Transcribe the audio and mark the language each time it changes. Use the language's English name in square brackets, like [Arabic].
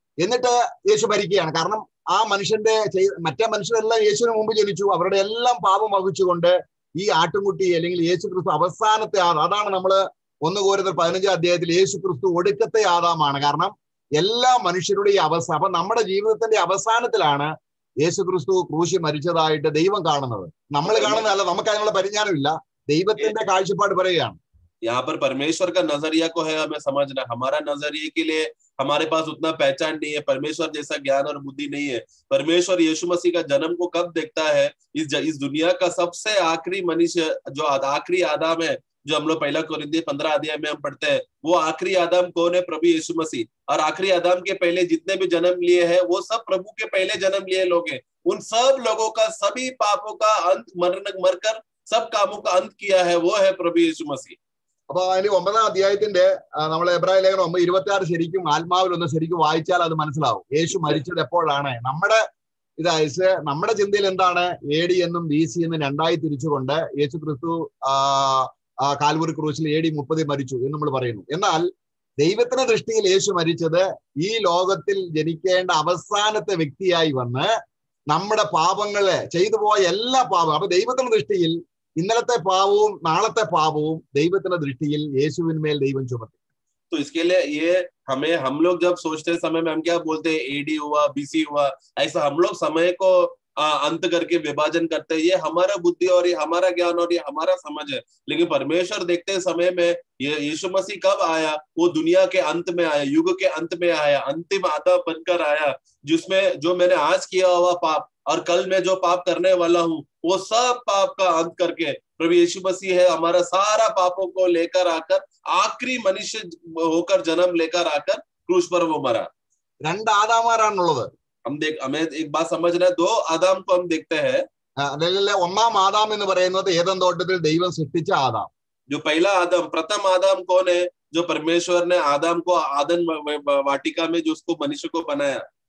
[Malayalam] എന്നിട്ട് യേശു മരിക്കുകയാണ്, കാരണം ആ മനുഷ്യന്റെ മറ്റേ മനുഷ്യരെല്ലാം യേശുവിന് മുമ്പ് ജനിച്ചു, അവരുടെ എല്ലാം പാപം വഹിച്ചുകൊണ്ട് ഈ ആട്ടുംകുട്ടി അല്ലെങ്കിൽ യേശു ക്രിസ്തു അവസാനത്തെ ആ അതാണ് നമ്മള് 1 കൊരിന്ത്യർ 15-ാം അധ്യായത്തിൽ യേശു ക്രിസ്തു ഒടുക്കത്തെ ആദാമാണ്, കാരണം എല്ലാ മനുഷ്യരുടെയും അവസ്ഥ। അപ്പൊ നമ്മുടെ ജീവിതത്തിന്റെ അവസാനത്തിലാണ് യേശു ക്രിസ്തു ക്രൂശി മരിച്ചതായിട്ട് ദൈവം കാണുന്നത്, നമ്മൾ കാണുന്നതല്ല, നമുക്ക് അതിനുള്ള പരിജ്ഞാനം ഇല്ല, ദൈവത്തിന്റെ കാഴ്ചപ്പാട് പറയുകയാണ്। [Hindi] यहाँ पर परमेश्वर का नजरिया को है हमें समझना, हमारा नजरिए के लिए हमारे पास उतना पहचान नहीं है, परमेश्वर जैसा ज्ञान और बुद्धि नहीं है। परमेश्वर यीशु मसीह का जन्म को कब देखता है, इस दुनिया का सबसे आखिरी मनुष्य जो आखिरी आदम है, जो हम लोग 1 कुरिन्थियों 15 अध्याय में हम पढ़ते हैं, वो आखिरी आदम कौन है? प्रभु यीशु मसीह। और आखिरी आदम के पहले जितने भी जन्म लिए है वो सब प्रभु के पहले जन्म लिए लोग हैं, उन सब लोगों का सभी पापों का अंत मरकर सब कामों का अंत किया है वो है प्रभु यीशु मसीह। [Malayalam] അപ്പൊ അതിന്റെ 9-ാം അധ്യായത്തിന്റെ നമ്മൾ എബ്രായ ലേഖനം 9:26 ശരിക്കും ആത്മാവിൽ ഒന്ന് ശരിക്കും വായിച്ചാൽ അത് മനസ്സിലാവും, യേശു മരിച്ചത് എപ്പോഴാണ്? നമ്മുടെ ഇതായത് നമ്മുടെ ചിന്തയിൽ എന്താണ്, AD എന്നും BC എന്നും രണ്ടായി തിരിച്ചുകൊണ്ട് യേശു ക്രിസ്തു കാൽവറി ക്രൂശിൽ AD 30 മരിച്ചു എന്ന് നമ്മൾ പറയുന്നു. എന്നാൽ ദൈവത്തിന്റെ ദൃഷ്ടിയിൽ യേശു മരിച്ചത് ഈ ലോകത്തിൽ ജനിക്കേണ്ട അവസാനത്തെ വ്യക്തിയായി വന്ന് നമ്മുടെ പാപങ്ങളെ ചെയ്തു പോയ എല്ലാ പാപവും, അപ്പൊ ദൈവത്തിന്റെ ദൃഷ്ടിയിൽ ഇന്നലത്തെ പാപവും നാളത്തെ പാപവും ദൈവത്തിന്റെ ദൃഷ്ടിയിൽ യേശുവിന്മേൽ ദൈവം ചുമത്തി। [Hindi] तो इसके लिए ये हमें हम लोग जब सोचते समय में हम क्या बोलते हैं, AD हुआ BC हुआ, ऐसा हम लोग समय को अंत करके विभाजन करते हैं, ये हमारा बुद्धि और ये हमारा ज्ञान और ये हमारा समझ है, लेकिन परमेश्वर देखते हैं समय में, ये यीशु मसीह कब आया, वो दुनिया के अंत में आया, युग के अंत में आया, अंतिम आदम बनकर आया, जिसमें जो मैंने आज किया हुआ पाप और कल मैं जो पाप करने वाला हूँ वो सब पाप का अंत करके प्रभु यीशु मसीह है हमारा सारा पापों को लेकर आकर आखिरी मनुष्य होकर जन्म लेकर आकर क्रूस पर वो मरा। रंड आदम मरा नुलोग हम देख हमें एक बात समझना, दो आदम को हम देखते हैं, [Malayalam] ഒന്നാം ആദാം എന്ന് പറയുന്നത് ഏദൻ തോട്ടത്തിൽ ദൈവം സൃഷ്ടിച്ച ആദാം। [Hindi] जो पहला आदम प्रथम आदम कौन है? जो परमेश्वर ने आदम को आदन वाटिका में जो उसको मनुष्य को बनाया